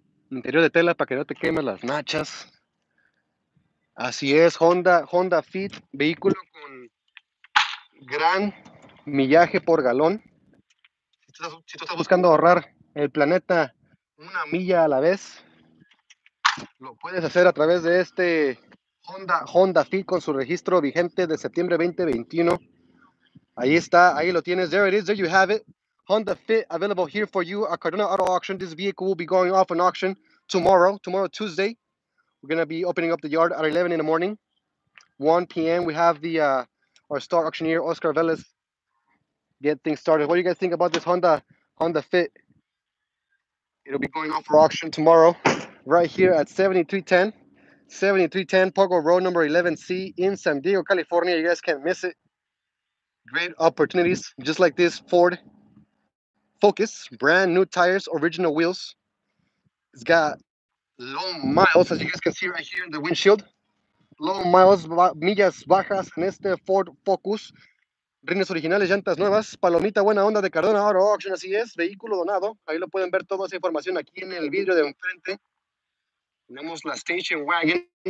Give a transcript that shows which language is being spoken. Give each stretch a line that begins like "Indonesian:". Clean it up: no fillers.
Spanish: Interior de tela para que no te quemes las nachas. Así es, Honda Fit, vehículo con gran millaje por galón. Si tú estás buscando ahorrar el planeta una milla a la vez, lo puedes hacer a través de este Honda Fit con su registro vigente de septiembre 2021. Ahí está, ahí lo tienes.
English: There it is, there you have it. Honda Fit available here for you at Cardona Auto Auction. This vehicle will be going off an auction tomorrow, Tuesday. We're going to be opening up the yard at 11 in the morning. 1 p.m. We have our star auctioneer, Oscar Velez, get things started. What do you guys think about this Honda Fit? It'll be going off for auction tomorrow right here at 7310 Pogo Road, number 11C in San Diego, California. You guys can't miss it. Great opportunities, just like this Ford Focus, brand new tires, original wheels. It's got low miles, as you guys can see right here in the windshield. Low miles,
Spanish: millas bajas en este Ford Focus. Rines originales, llantas nuevas, palomita buena onda de Cardona Auto Auction, así es, vehículo donado. Ahí lo pueden ver, toda esa información aquí en el vidrio de enfrente. Tenemos la station wagon.